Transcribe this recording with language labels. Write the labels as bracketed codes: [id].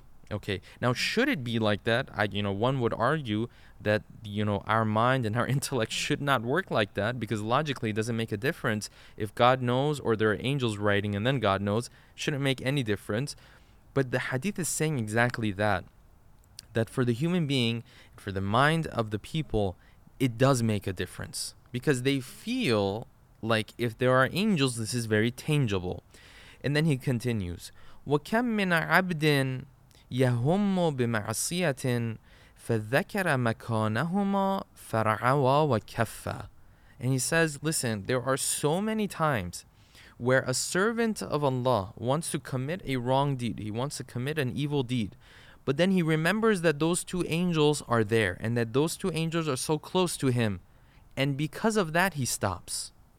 [en] Okay, now should it be like that? One would argue that, you know, our mind and our intellect should not work like that, because logically it doesn't make a difference if God knows or there are angels writing and then God knows. Shouldn't make any difference. But the hadith is saying exactly that. That for the human being, for the mind of the people, it does make a difference. Because they feel like if there are angels, this is very tangible. And then he continues, [ar] وَكَمْ مِنَ عَبْدٍ يَهُمُّ بِمَعْصِيَةٍ فَذَكَرَ مَكَانَهُمَا فَرَعَوَا وَكَفَّ. [en] And he says, listen, there are so many times where a servant of Allah wants to commit a wrong deed. He wants to commit an evil deed. But then he remembers that those two angels are there and that those two angels are so close to him. And because of that, he stops.